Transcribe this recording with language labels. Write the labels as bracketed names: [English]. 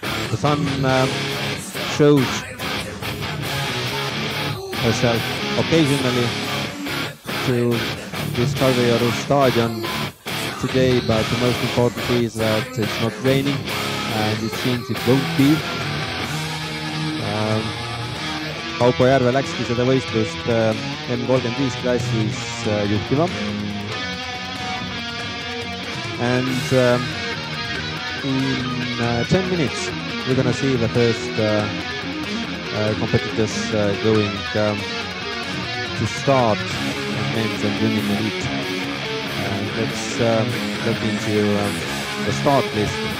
[English] the Sun shows herself occasionally to this Kadriorust stadium today, but the most important thing is that it's not raining and it seems it won't be. [Estonian] Kaupo Järve läkski seda võistlust M35 klassis juhtima. [English] And in 10 minutes we're gonna see the first competitors going to start men's and women's elite. And let's look into the start list.